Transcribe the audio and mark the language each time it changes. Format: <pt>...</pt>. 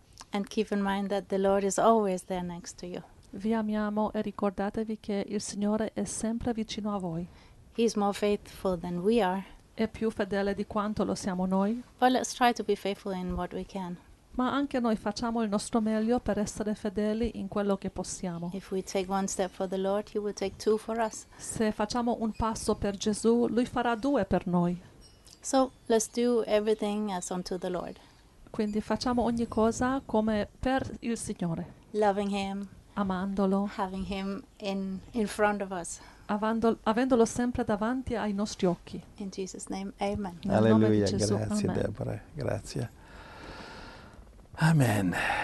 <en>And keep in mind that the Lord is always there next to you.</en> <it>Vi amiamo e ricordatevi che il Signore è sempre vicino a voi.</it> <en>He is more faithful than we are.</en> <it>È più fedele di quanto lo siamo noi.</it> <en>But let's try to be faithful in what we can.</en> <it>Ma anche noi facciamo il nostro meglio per essere fedeli in quello che possiamo.</it> <en>If we take one step for the Lord, He will take two for us.</en> <it>Se facciamo un passo per Gesù, Lui farà due per noi.</it> <en>So let's do everything as unto the Lord.</en> <it>Quindi facciamo ogni cosa come per il Signore.</it> <en>Loving Him.</en> <it>Amandolo.</it> <en>Having Him in front of us.</en> <it>Avendolo sempre davanti ai nostri occhi.</it> <en>In Jesus' name, Amen.</en> <it>Alleluia, grazie Deborah, grazie. Amen.</it>